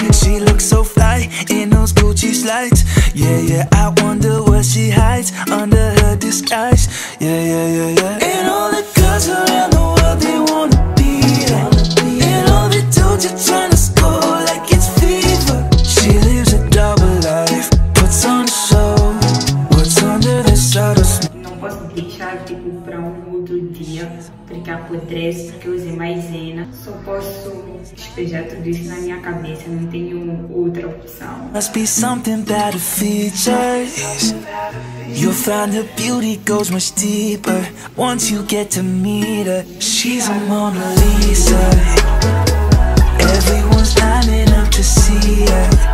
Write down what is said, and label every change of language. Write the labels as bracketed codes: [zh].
[en] She looks so fly in those Gucci slides. Yeah, yeah, I wonder what she hides under her disguise. Yeah, yeah, yeah, yeah. And all the girls around the world, they wanna be her. And all the dudes are trying to score like it's fever. She lives a double life, puts on a show. What's under the subtle smile. [pt] Não posso deixar, tipo, pra outro dia. Porque apodrece, porque eu usei maizena. Só posso despejar tudo isso na minha cabeça. Não tenho outra opção. [en] Must be something that features. You'll find her beauty goes much deeper once you get to meet her. She's a Mona Lisa. Everyone's lining up to see her.